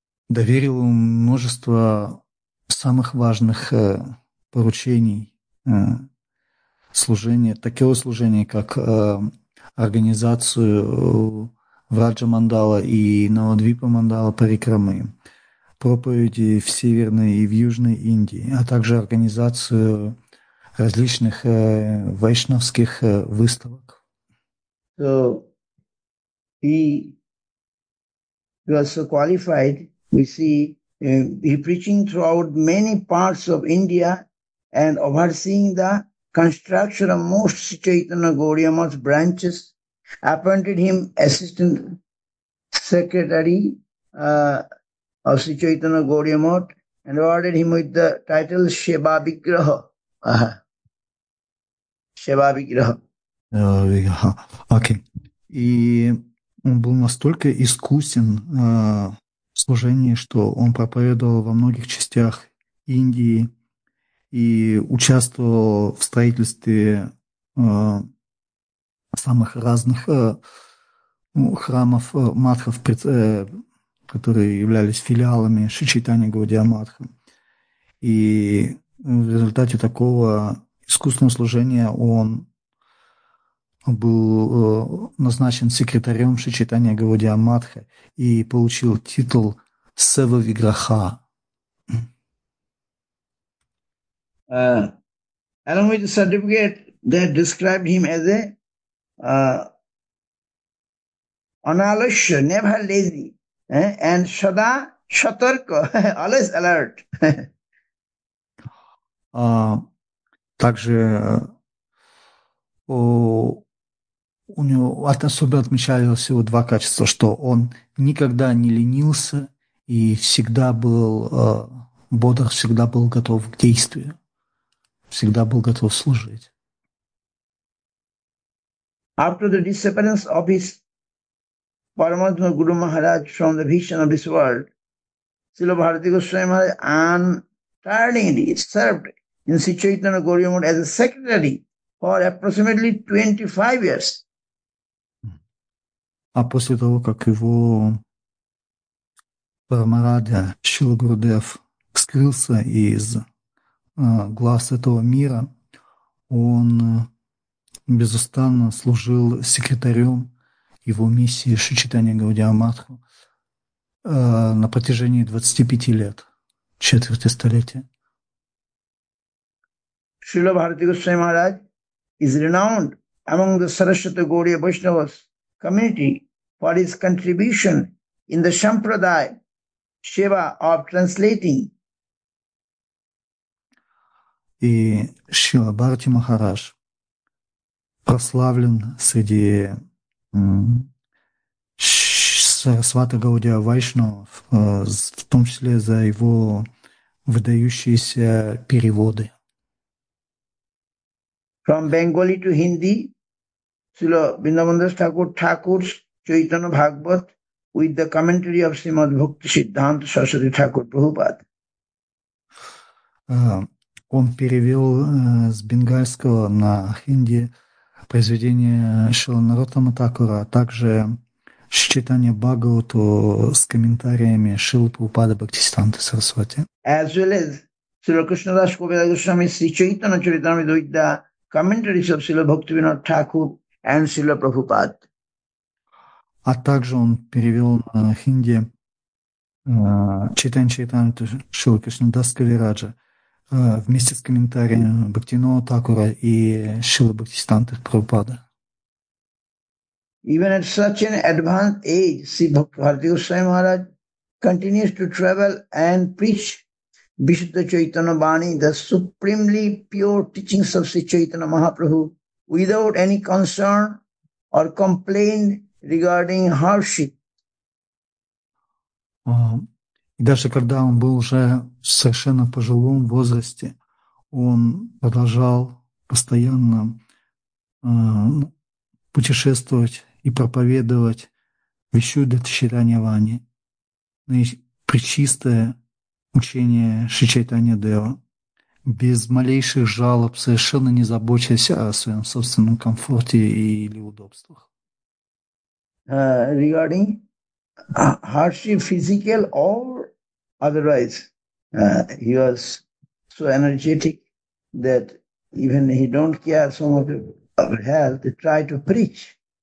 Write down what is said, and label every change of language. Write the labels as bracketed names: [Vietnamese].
[Russian] доверил ему множество самых важных поручений служения, такого служения, как организацию Враджа Мандала и Навадвипа Мандала Парикрамы, проповеди в Северной и в Южной Индии, а также организацию различных вайшнавских выставок. [English] So, he was so qualified, we see. He preaching throughout many parts of India and overseeing the construction of most Chaitanya Gaudiya Math branches, appointed him assistant secretary of Chaitanya Gaudiya Math and awarded him with the title Seva Vigraha. Seva Vigraha. [Russian] Okay. И он был настолько искусен служение, что он проповедовал во многих частях Индии и участвовал в строительстве самых разных храмов, матхов, которые являлись филиалами Шри Чайтанья Гаудия Матха. И в результате такого искусственного служения он был назначен секретарем Шри Чайтанья Гаудия Матха и получил титул Сева Виграха. [English] Along with the certificate that described him as a unalashya, never lazy, and sada shatarka, always alert. [Russian] Также у него особо отмечались всего два качества, что он никогда не ленился и всегда был бодр, всегда был готов к действию, всегда был готов служить. [English] After the disappearance of his Paramatma Guru Maharaj from the vision of this world, Srila Bharati Goswami Maharaj untiringly served in Sri Chaitanya Gaudiya Math as a secretary for approximately 25 years. [Russian] А после того, как его Парамарадья Шрила Гурудев скрылся из глаз этого мира, он безустанно служил секретарем его миссии Шри Чайтанья Гаудия Матха на протяжении 25 лет, четверти столетия. [English] Шрила Бхарати Госвами Махарадж is renowned among the Sarasvata Gaudiya Vaishnavas community for his contribution in the Sampradaya Seva of translating. [Russian] И Шрила Бхарати Махарадж прославлен среди Сарасвата Гаудия Вайшнав, в том числе за его выдающиеся переводы. [English] From Bengali to Hindi, Srila Vrindavanadas Thakur Thakur's Chaitanya Bhagavat with the commentary of Srimad Bhakti Siddhanta Saraswati Thakur Prabhupada. [Russian] Он перевел с бенгальского на хинди произведение Шрила Наротама Такура, а также считание Бхагавату с комментариями Шрилы Прабхупады Бхактисиддханты Сарасвати. [English] As well as Srila Krishna Das Govinda Goswami Sri Chaitanya Charitamrita with the commentaries of Srila Bhaktivinoda Thakur and Srila Prabhupada. [Russian] А также он перевел на хинди читание Чайтанита Шрилы Кришнадас Кавираджа вместе с комментарием Бхактивинода Такура и Шрилы Бхактисиддханты Прабхупада. [English] Even at such an advanced age, Sri Bhakti Goswami Maharaj continues to travel and preach Vishuddha Chaitanya Bani, the supremely pure teachings of Sri Chaitanya Mahaprabhu, without any concern or complaint regarding hardship. [Russian] И даже когда он был уже в совершенно пожилом возрасте, он продолжал постоянно путешествовать и проповедовать Вишуддха Чайтанья Вани, пречистое учение Шри Чайтанья Дева, без малейших жалоб, совершенно не заботясь о своем собственном комфорте или удобствах. [English] Regarding hardship, physical or otherwise, he was so energetic that even he don't care so much of health, he tried to preach.